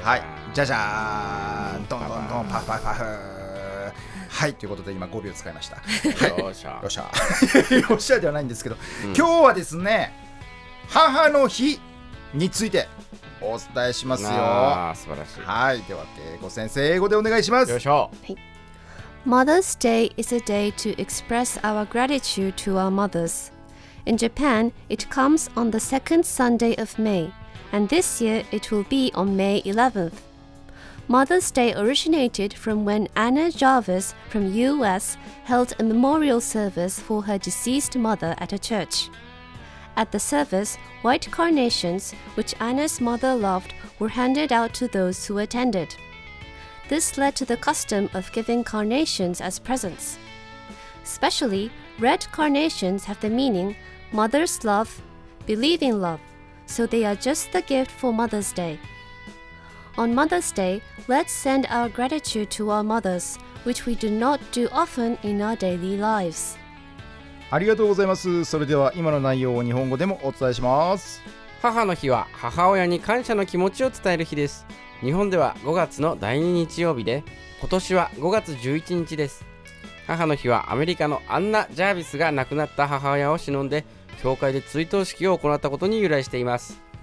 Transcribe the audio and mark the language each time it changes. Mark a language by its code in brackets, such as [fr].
[ja] はい、じゃじゃーん、どんどんどんパパパフ。はい、ということで今5秒使いました。よっしゃよっしゃよっしゃではないんですけど、今日はですね、母の日についてお伝えしますよ。あ、素晴らしい。はい、では恵子先生、英語でお願いします。よいしょ。 [en] Mother's Day is a day to express our gratitude to our mothers. In Japan, it comes on the second Sunday of May, and this year it will be on May 11th. Mother's Day originated from when Anna Jarvis from US held a memorial service for her deceased mother at a church. At the service, white carnations, which Anna's mother loved, were handed out to those who attended. This led to the custom of giving carnations as presents. Especially, red carnations have the meaning mother's love, believing love, so they are just the gift for Mother's Day. On Mother's Day, let's send our gratitude to our mothers, which we do not do often in our daily lives. [ja] ありがとうございます。それでは今の内容を日本語でもお伝えします。母の日は母親に感謝の気持ちを伝える日です。日本では5月の第2日曜日で、今年は5月11日です。母の日はアメリカのアンナ・ジャービスが亡くなった母親を偲んで教会で追悼式を行ったことに由来しています。